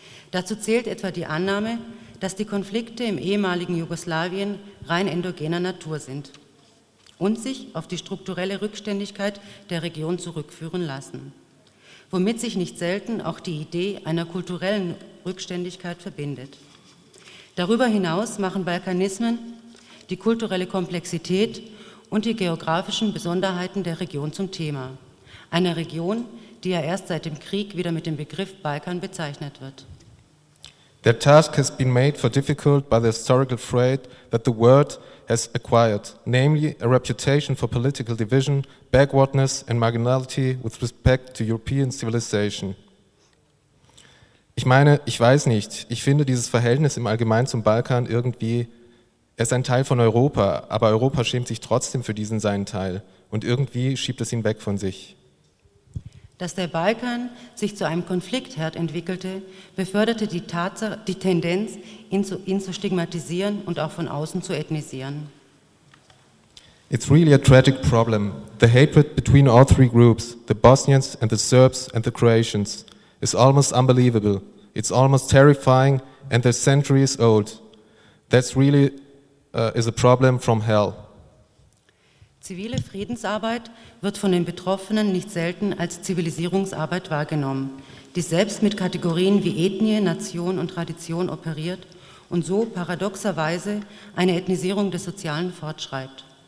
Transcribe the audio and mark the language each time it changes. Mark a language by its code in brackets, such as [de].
[de] Dazu zählt etwa die Annahme, dass die Konflikte im ehemaligen Jugoslawien rein endogener Natur sind und sich auf die strukturelle Rückständigkeit der Region zurückführen lassen, womit sich nicht selten auch die Idee einer kulturellen Rückständigkeit verbindet. Darüber hinaus machen Balkanismen die kulturelle Komplexität und die geografischen Besonderheiten der Region zum Thema, einer Region, die ja erst seit dem Krieg wieder mit dem Begriff Balkan bezeichnet wird. [en] The task has been made for difficult by the historical freight that the word has acquired, namely a reputation for political division, backwardness and marginality with respect to European civilization. [de] Ich meine, ich weiß nicht, ich finde dieses Verhältnis im Allgemeinen zum Balkan irgendwie, er ist ein Teil von Europa, aber Europa schämt sich trotzdem für diesen seinen Teil und irgendwie schiebt es ihn weg von sich. Dass der Balkan sich zu einem Konfliktherd entwickelte, beförderte die Tendenz, ihn zu stigmatisieren und auch von außen zu ethnisieren. [en] It's really a tragic problem. The hatred between all three groups, the Bosnians and the Serbs and the Croatians, is almost unbelievable. It's almost terrifying and the century is old. That's really is a problem from hell. [de] Zivile Friedensarbeit wird von den Betroffenen nicht selten als Zivilisierungsarbeit wahrgenommen, die selbst mit Kategorien wie Ethnie, Nation und Tradition operiert und so paradoxerweise eine Ethnisierung des Sozialen fortschreibt.